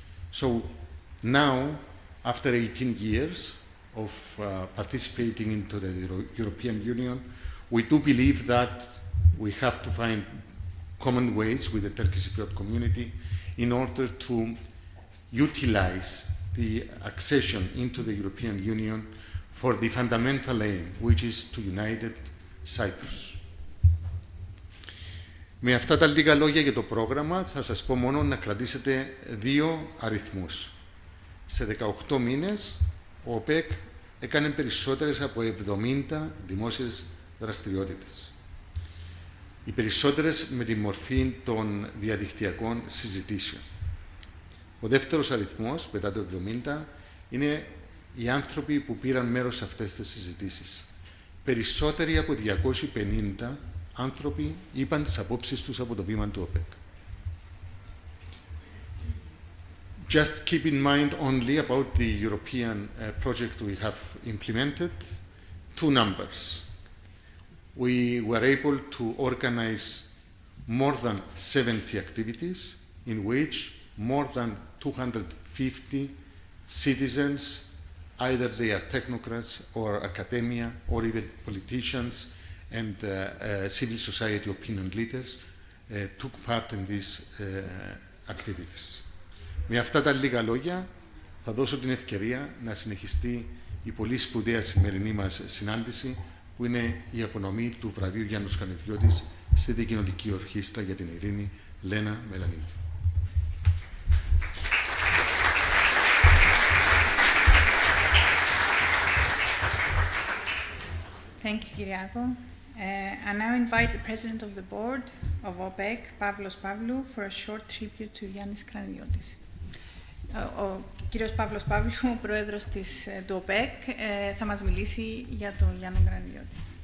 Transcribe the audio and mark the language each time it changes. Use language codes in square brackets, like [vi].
[en] So now, after 18 years of participating into the European Union, we do believe that we have to find common ways with the Turkish Cypriot community in order to utilize the accession into the European Union for the fundamental aim, which is to unite Cyprus. [el] Με αυτά τα λίγα λόγια για το πρόγραμμα, θα σας πω μόνο να κρατήσετε δύο αριθμούς. Σε 18 μήνες, ο ΟΠΕΚ έκανε περισσότερες από 70 δημόσιες δραστηριότητες. Οι περισσότερες με τη μορφή των διαδικτυακών συζητήσεων. Ο δεύτερος αριθμός, μετά το 70, είναι οι άνθρωποι που πήραν μέρος σε αυτές τις συζητήσεις. Περισσότεροι από 250 άνθρωποι είπαν τις απόψεις τους από το βήμα του ΟΠΕΚ. [en] Just keep in mind only about the European project we have implemented, two numbers. We were able to organize more than 70 activities in which more than 250 citizens, either they are technocrats or academia or even politicians and civil society opinion leaders, took part in these activities. [el] Με αυτά τα λίγα λόγια, θα δώσω την ευκαιρία να συνεχιστεί η πολύ σπουδαία σημερινή μας συνάντηση, που είναι η απονομή του βραβείου Γιάννου Σκανιδιώτης στη Διακοινωτική Ορχήστρα για την Ειρήνη, Λένα Μελανίδη. [en] Thank you, Kyriako. I now invite the President of the Board of OPEC, Pavlos Pavlou, for a short tribute to Yannis Kranidiotis. [el] Ο κύριος Παύλος Παύλου, ο πρόεδρος της του ΟΠΕΚ, θα μας μιλήσει για τον Γιάννη Κρανιδιώτη.